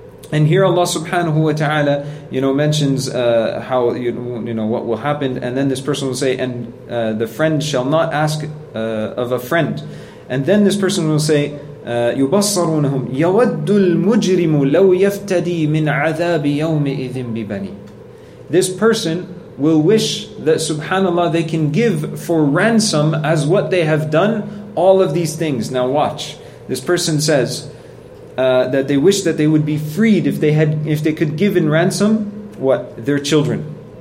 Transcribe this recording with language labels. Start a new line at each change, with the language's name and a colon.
English: And here Allah subhanahu wa ta'ala, you know, mentions how, you know, what will happen. And then this person will say, and the friend shall not ask of a friend. And then this person will say,
Arabic: يُبَصَّرُونَهُمْ يَوَدُّ الْمُجْرِمُ لَوْ يَفْتَدِي مِنْ عَذَابِ يَوْمِئِذٍ بِبَنِي.
English: This person will wish that, subhanAllah, they can give for ransom as what they have done all of these things. Now watch. This person says, that they wish that they would be freed if they could give in ransom what? Their children.